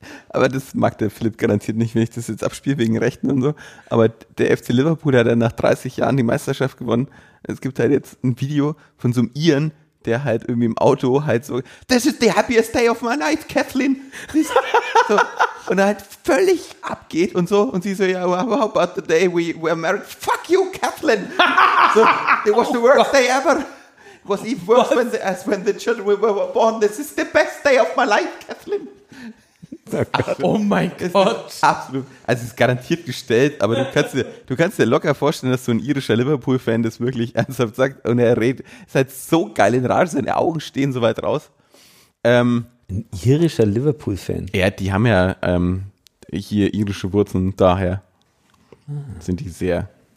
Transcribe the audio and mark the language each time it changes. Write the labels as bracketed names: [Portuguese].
[German] Aber das mag der Philipp garantiert nicht, wenn ich das jetzt abspiele wegen Rechten und so. Aber der FC Liverpool, der hat nach 30 Jahren die Meisterschaft gewonnen. Es gibt halt jetzt ein Video von so einem Iren, der halt irgendwie im Auto halt so, [English] this is the happiest day of my life, Kathleen. [German] So. Und er halt völlig abgeht und so. Und sie so, ja, [English] how about the day we were married? Fuck you, Kathleen. So, it was the worst day ever. It was even worse when the children were born. This is the best day of my life, Kathleen. [German] Oh mein Gott. Absolut. Also es ist garantiert gestellt, aber du kannst dir locker vorstellen, dass so ein irischer Liverpool-Fan das wirklich ernsthaft sagt und er redet, ist halt so geil in Rage, seine Augen stehen so weit raus. Ein irischer Liverpool-Fan? Ja, die haben ja hier irische Wurzeln, daher sind die sehr...